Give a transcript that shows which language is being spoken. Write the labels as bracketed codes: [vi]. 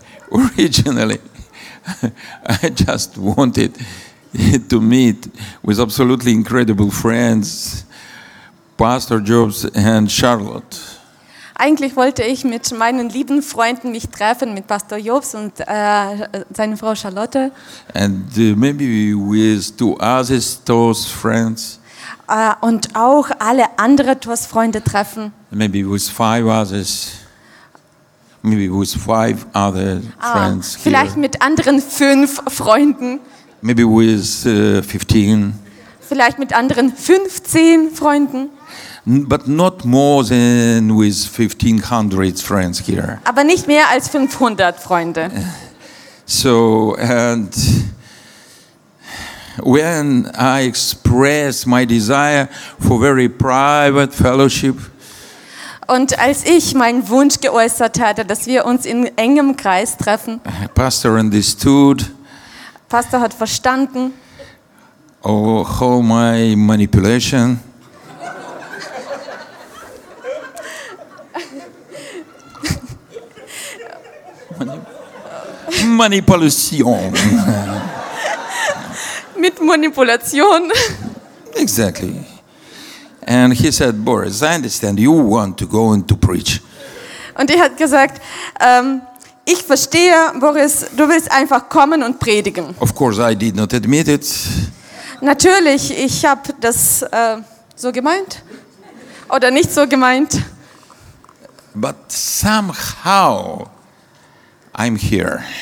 [en] Originally, I just wanted to meet with absolutely incredible friends, Pastor Jobs and Charlotte. [de] Eigentlich wollte ich mit meinen lieben Freunden mich treffen, mit Pastor Jobs und seiner Frau Charlotte. [en] And maybe with two other TOS friends. [de] Und auch alle anderen TOS-Freunde treffen. [en] Maybe with five others. Maybe with five other friends. [de] Vielleicht [en] here. [de] Mit anderen fünf Freunden. [en] Maybe with 15. [de] Vielleicht mit anderen 15 Freunden. [en] But not more than with 1500 friends here. [de] Aber nicht mehr als 500 Freunde. [en] So, and when I express my desire for very private fellowship. [de] Und als ich meinen Wunsch geäußert hatte, dass wir uns in engem Kreis treffen. [en] Pastor understood. [de] Pastor hat verstanden. [en] Oh, how my manipulation. [de] Manipulation. Mit Manipulation. [en] Exactly. And he said, Boris, I understand you want to go and to preach. [de] Und er hat gesagt, ich verstehe, Boris, du willst einfach kommen und predigen. [en] Of course, I did not admit it. [de] Natürlich, ich habe das so gemeint oder nicht so gemeint. [en] But somehow I'm here.